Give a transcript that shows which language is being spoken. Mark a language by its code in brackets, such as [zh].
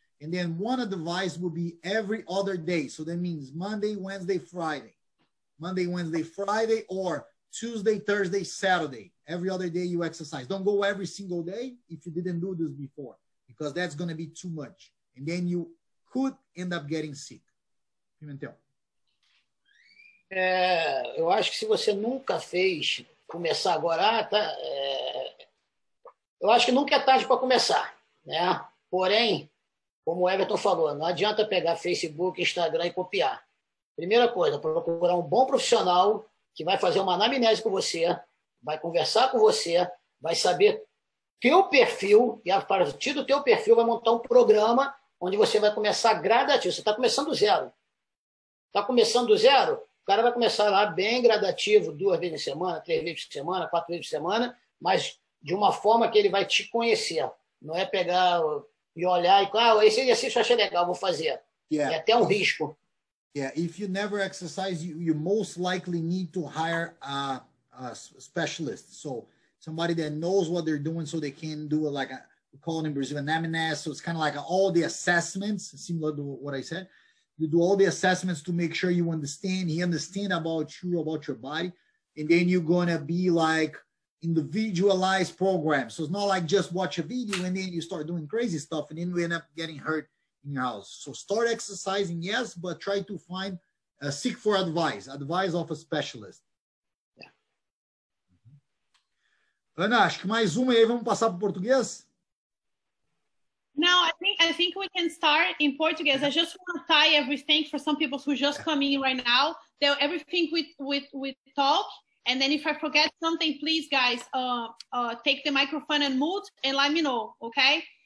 [en] And then one advice will be every other day. So that means Monday, Wednesday, Friday, or Tuesday, Thursday, Saturday. Every other day you exercise. Don't go every single day if you didn't do this before, because that's going to be too much. And then you could end up getting sick. Pimentel. [pt] Eu acho que se você nunca fez começar agora, tá? Eu acho que nunca é tarde para começar, né? Porém, como o Everton falou, não adianta pegar Facebook, Instagram e copiar. Primeira coisa, procurar um bom profissional que vai fazer uma anamnese com você, vai conversar com você, vai saber teu perfil e a partir do teu perfil vai montar um programa onde você vai começar gradativo. Você está começando do zero. Está começando do zero? O cara vai começar lá bem gradativo, duas vezes por semana, três vezes por semana, quatro vezes por semana, mas de uma forma que ele vai te conhecer. Não é pegar... E olhar e, esse exercício eu achei legal, vou fazer. Yeah. É até um risco. [en] Yeah, if you never exercise, you most likely need to hire a specialist. So, somebody that knows what they're doing so they can do it like, we call it in Brazil, an MNS. So, it's kind of like all the assessments, similar to what I said. You do all the assessments to make sure you understand, he understand about you, about your body. And then you're going to be like, individualized program. So it's not like just watch a video and then you start doing crazy stuff and then you end up getting hurt in your house. So start exercising, yes, but try to find Seek for advice of a specialist. Yeah. [pt] Ana, acho que mais uma e aí vamos passar para o português? [en] No, I think we can start in Portuguese. I just want to tie everything for some people who just come in right now. They'll, everything we talk, and then if I forget something, please, guys, take the microphone and mute and let me know, okay?